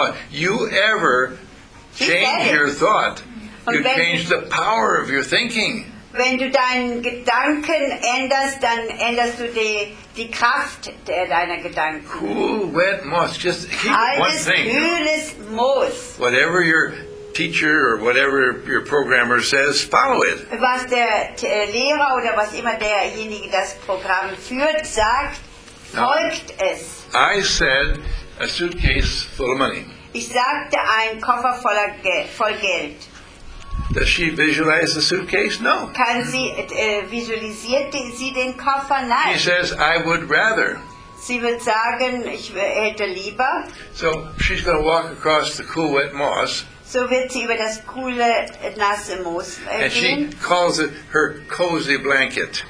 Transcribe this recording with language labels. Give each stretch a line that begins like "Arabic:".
English: You ever change your thought, you change the power of your thinking.
German: Wenn du deinen Gedanken änderst, dann änderst du die Kraft deiner Gedanken.
English: Cool, wet moss. Just keep one thing.
German: Kühles Moos.
English: Whatever your teacher or whatever your programmer says, follow it.
German: Was der Lehrer oder was immer derjenige, das Programm führt, sagt, folgt es.
English: I said a suitcase full of money.
German: Ich sagte ein Koffer voller voll Geld.
English: Does she visualize the suitcase? No.
German: Kann sie visualisiert sie den Koffer? Nein.
English: She says I would rather.
German: Sie wird sagen, ich hätte lieber.
English: So she's going to walk across the cool wet moss.
German: So wird sie über das coole nasse Moos gehen.
English: And she calls it her cozy blanket.